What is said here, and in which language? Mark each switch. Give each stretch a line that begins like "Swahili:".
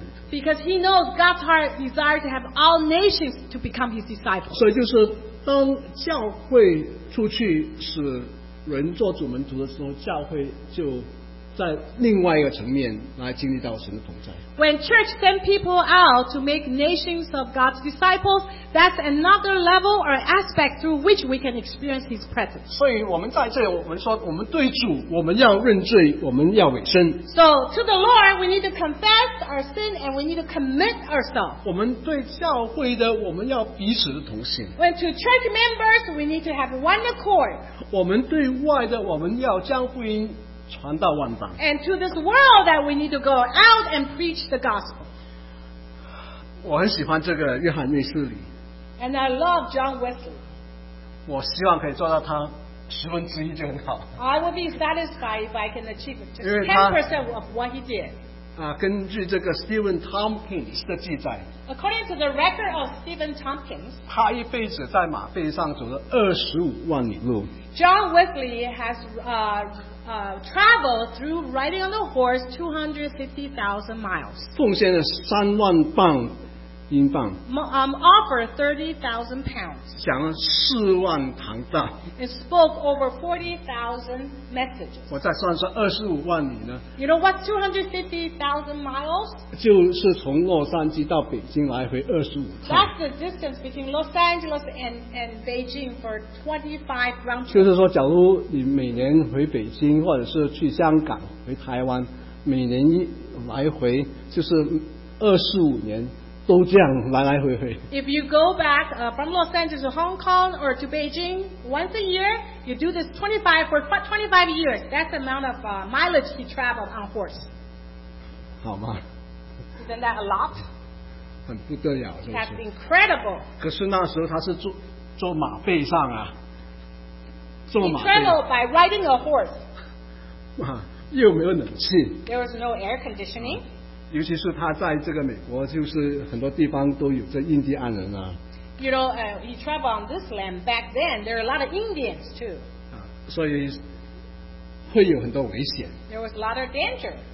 English: Because he knows God's heart desire to have all nations to become his disciples.
Chinese: 所以就是当教会出去使人做主门徒的时候，教会就在另外一个层面来经历到神的同在。
English: When church sends people out to make nations of God's disciples, that's another level or aspect through which we can experience His presence.
Chinese: 所以我们在这里，我们说我们对主，我们要认罪，我们要委身。
English: So to the Lord, we need to confess our sin and we need to commit ourselves.
Chinese: 我们对教会的，我们要彼此的同心。
English: When to church members, we need to have one accord.
Chinese: 我们对外的，我们要将福音。传到万邦。
English: And to this world that we need to go out and preach the gospel.
Chinese: 我很喜欢这个约翰内斯里。
English: And I love John Wesley.
Chinese: 我希望可以做到他十分之一就很好。
English: I would be satisfied if I can achieve just 10% of what he did.
Chinese: 根据这个 Stephen Tompkins 的记载。
English: According to the record of Stephen Tompkins,
Chinese: 他一辈子在马背上走了25万里路。
English: John Wesley has travel through riding on the horse 250,000 miles.
Chinese: 奉献了3万磅英镑。
English: Offered 30,000 pounds.
Chinese: 讲了4万堂道。
English: And spoke over 40,000 messages.
Chinese: 我再算算25万里呢。
English: You know what's 250,000 miles?
Chinese: 就是从洛杉矶到北京来回25趟。
English: That's the distance between Los Angeles and Beijing for 25 round trip.
Chinese: 就是说，假如你每年回北京，或者是去香港、回台湾，每年来回就是25年。都这样来来回回。
English: If you go back from Los Angeles to Hong Kong or to Beijing once a year, you do this 25 years. That's the amount of mileage he traveled on horse.
Chinese: 好吗？
English: Isn't that a lot?
Chinese: 很不得了，是不是？
English: That's incredible.
Chinese: 可是那时候他是坐马背上啊，坐马背。
English: He traveled by riding a horse.
Chinese: 哇，又没有冷气。
English: There was no air conditioning.
Chinese: 尤其是他在这个美国，就是很多地方都有这印第安人啊。
English: You know, he traveled on this land back then. There are a lot of Indians too.
Chinese: 所以会有很多危险。
English: There was a lot of danger.